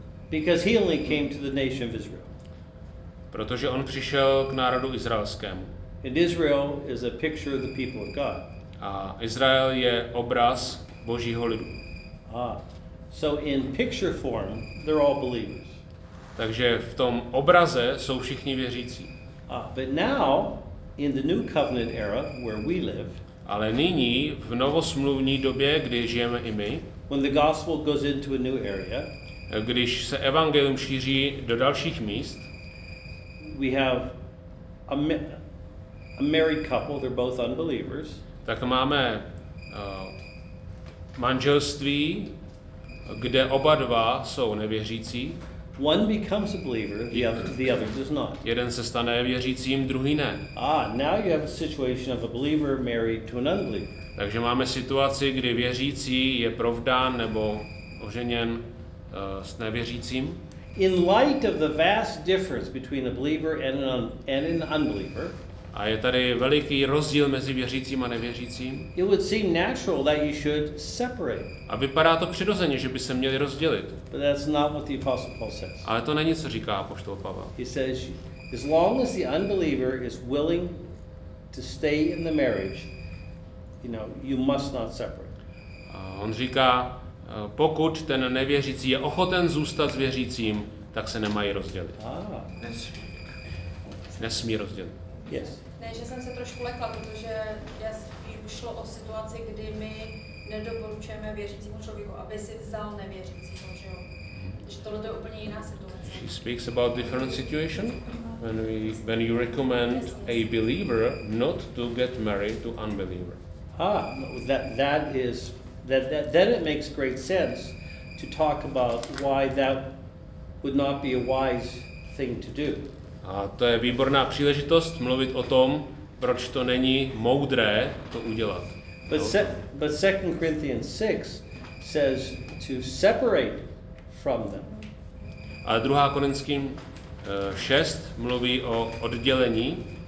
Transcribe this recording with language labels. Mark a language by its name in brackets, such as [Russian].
[English] Because he only came to the nation of Israel. [Czech] Protože on přišel k národu izraelskému. [English] And Israel is a picture of the people of God. [Czech] A Izrael je obraz Božího lidu. [English] Ah. So in picture form, they're all believers. [Czech] Takže v tom obraze jsou všichni věřící. [English] Ah, but now in the new covenant era where we live, [Czech] ale nyní v novosmluvní době, kdy žijeme i my, [English] when the gospel goes into a new area, [Czech] když se evangelium šíří do dalších míst, [English] we have a married couple, they're both unbelievers. [Czech] Tak máme manželství, kde oba dva jsou nevěřící. [English] One becomes a believer, the other does not. [Czech] Jeden se stane věřícím, druhý ne. [English] Ah, now you have a situation of a believer married to an unbeliever. [Czech] Takže máme situaci, kdy věřící je provdán nebo oženěn s nevěřícím. [English] In light of the vast difference between a believer and an unbeliever. [Czech] A je tady veliký rozdíl mezi věřícím a nevěřícím. [English] It would seem natural that you should separate. [Czech] A vypadá to přirozeně, že by se měli rozdělit. [English] But that's not what the apostle Paul says. [Czech] Ale to není, co říká apoštol Pavel. [English] He says, as long as the unbeliever is willing to stay in the marriage, you know, you must not separate. [Czech] A on říká, pokud ten nevěřící je ochoten zůstat s věřícím, tak se nemají rozdělit. Nesmí rozdělit. Yes. Ne, že jsem se trošku lekla, protože šlo o situaci, kdy my nedoporučujeme věřícímu člověku, aby si vzal nevěřícího, že jo? Takže tohle je úplně jiná situace. [English] She speaks about different situation when you recommend a believer not to get married to unbeliever. Ah, that is that then it makes great sense to talk about why that would not be a wise thing to do. [Czech] A to je výborná příležitost mluvit o tom, proč to není moudré to udělat. [English] But 2 Corinthians 6 says to separate from them. [Czech] A 2. Korinským 6 mluví o oddělení.